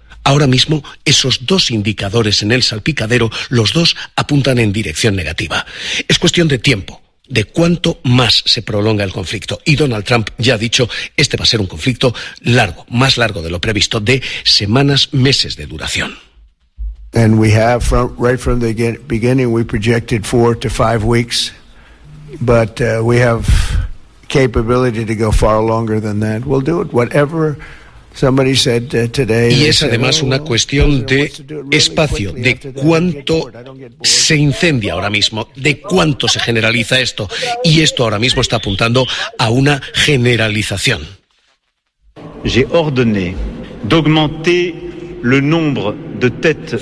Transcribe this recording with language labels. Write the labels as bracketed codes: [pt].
[es] Ahora mismo, esos dos indicadores en el salpicadero, los dos apuntan en dirección negativa. Es cuestión de tiempo, de cuánto más se prolonga el conflicto. Y Donald Trump ya ha dicho, este va a ser un conflicto largo, más largo de lo previsto, de semanas, meses de duración. [en] And we have, right from the beginning, we projected 4 to 5 weeks, but we have capability to go far longer than that. We'll do it, whatever... [es] Y es además una cuestión de espacio, de cuánto se incendia ahora mismo, de cuánto se generaliza esto. Y esto ahora mismo está apuntando a una generalización. [fr] J'ai ordonné d'augmenter le nombre de têtes.